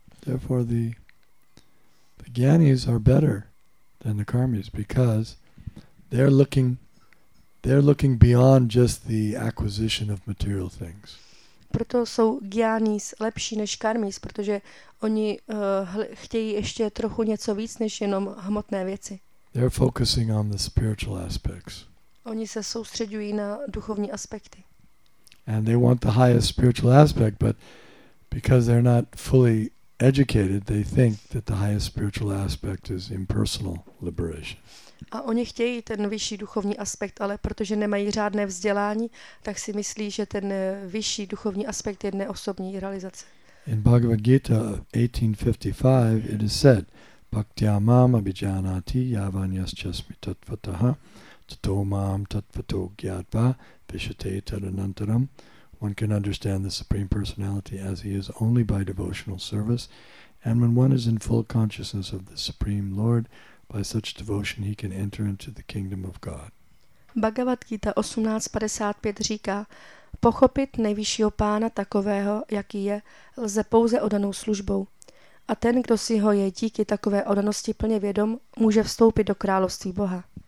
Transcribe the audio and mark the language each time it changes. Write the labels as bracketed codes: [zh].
[en] Therefore the jnanis are better than the karmis, because they're looking beyond just the acquisition of material things. [cs] Proto jsou jnanis lepší než karmis, protože oni chtějí ještě trochu něco víc než jenom hmotné věci. [en] They're focusing on the spiritual aspects. [cs] Oni se soustředují na duchovní aspekty. [en] And they want the highest spiritual aspect, but because they're not fully educated, they think that the highest spiritual aspect is impersonal liberation. [cs] A oni chtějí ten vyšší duchovní aspekt, ale protože nemají řádné vzdělání, tak si myslí, že ten vyšší duchovní aspekt je neosobní realizace. [en] In Bhagavad Gita 18:55 it is said, [sa] Bhaktya mam abhijanati yavanyaschasmi tatvataha tato mam tatvato gyatva vishate tadanantaram. [en] One can understand the Supreme Personality as he is only by devotional service, and when one is in full consciousness of the Supreme Lord, by such devotion he can enter into the kingdom of God. [cs] Bhagavad Gita 18:55 říká, pochopit nejvyššího pána takového, jaký je, lze pouze odanou službou. A ten, kdo si ho je díky takové odanosti plně vědom, může vstoupit do království Boha.